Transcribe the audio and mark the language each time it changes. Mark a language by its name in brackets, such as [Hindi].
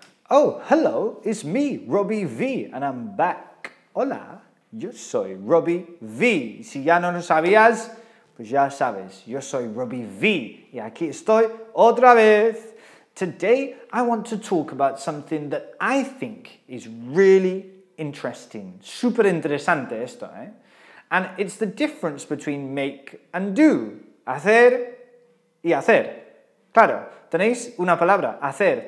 [English] Oh, hello, it's me, Robbie V, and I'm back. [Spanish] Hola, yo soy Robbie V. Si ya no lo sabías, pues ya sabes, yo soy Robbie V, y aquí estoy otra vez. [English] Today, I want to talk about something that I think is really interesting. [Spanish] Super interesante esto, ¿eh? [English] And it's the difference between make and do. [Spanish] Hacer y hacer. Claro, tenéis una palabra, hacer.